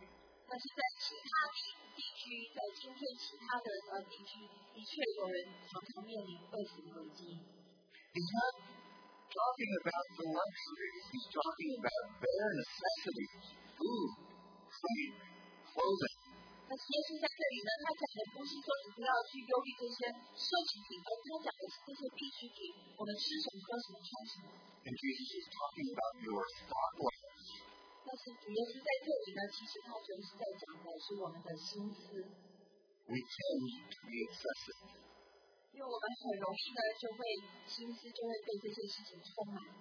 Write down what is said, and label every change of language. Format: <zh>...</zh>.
<en>He's not talking about the luxuries. He's talking about bare necessities, food, sleep, clothing.</en> <zh>那耶稣在这里呢，他讲的不是说你不要去忧虑这些奢侈品，而他讲的是这些必需品，我们吃什么，喝什么，穿什么。</zh> <en>And Jesus is talking about your thought lives.</en> <zh>但是主耶稣在这里呢，其实他就是在讲的是我们的心思。</zh> <en>We tend to be obsessive.</en> <zh>因为我们很容易呢，就会心思就会被这些事情充满。</zh>